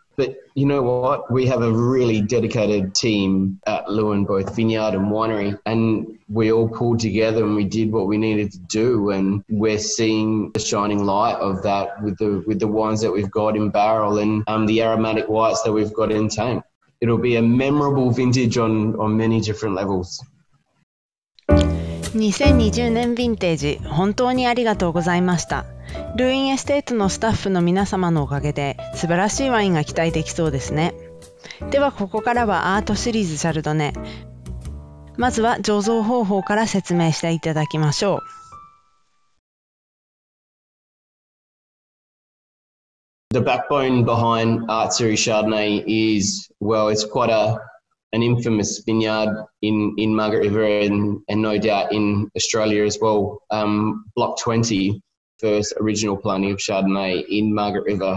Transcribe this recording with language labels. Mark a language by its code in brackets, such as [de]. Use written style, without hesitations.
[en] But you know what? We have a really dedicated team at Lewin, both vineyard and winery. And we all pulled together and we did what we needed to do. And we're seeing the shining light of that with the wines that we've got in barrel and the aromatic whites that we've got in tank. It'll be a memorable vintage on many different levels. [ja] 2020年ヴィンテージ、本当にありがとうございました。ルーウィンエステートのスタッフの皆様のおかげで素晴らしいワインが期待できそうですね。ではここからはアートシリーズシャルドネ。まずは醸造方法から説明していただきましょう。 [en] The backbone behind Art Series Chardonnay is, well, it's quite an infamous vineyard in Margaret River and no doubt in Australia as well. Block 20, first original planting of Chardonnay in Margaret River.